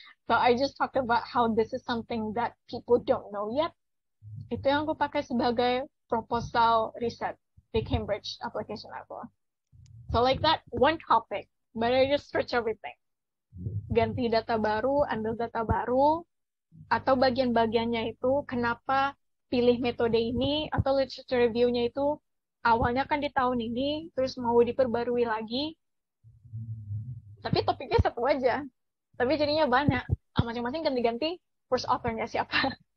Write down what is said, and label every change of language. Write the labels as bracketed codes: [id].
[en] So I just talked about how this is something that people don't know yet. [id] Itu yang aku pakai sebagai proposal riset di Cambridge application aku. [en] So like that, one topic, but I just search everything. [id] Ganti data baru, ambil data baru, atau bagian-bagiannya itu, kenapa pilih metode ini, atau literature review-nya itu, awalnya kan di tahun ini, terus mau diperbarui lagi. Tapi topiknya satu aja. Tapi jadinya banyak. Masing-masing ganti-ganti, first author-nya siapa.